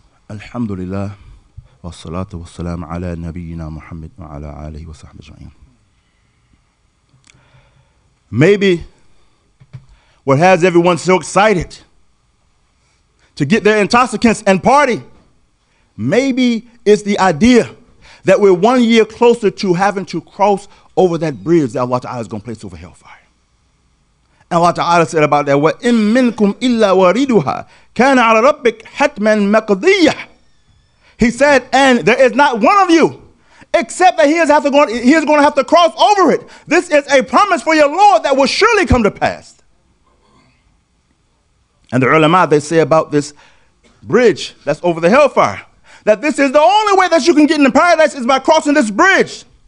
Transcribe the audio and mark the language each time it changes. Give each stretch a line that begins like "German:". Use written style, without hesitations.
Arabic: الحمد لله والصلاة والسلام على نبينا محمد وعلى آله وصحبه أجمعين.
English: Maybe what has everyone so excited to get their intoxicants and party, maybe it's the idea that we're 1 year closer to having to cross over that bridge that Allah Ta'ala is going to place over hellfire. And Allah Ta'ala said about that,
Arabic: وَإِن مِّنْكُمْ إِلَّا وَرِيدُهَا كَانَ عَلَى رَبِّكْ حَتْمًا مَقْضِيَّةً.
English: He said, and there is not one of you except that he is going to have to cross over it. This is a promise for your Lord that will surely come to pass. And the ulama, they say about this bridge that's over the hellfire, that this is the only way that you can get into paradise is by crossing this bridge.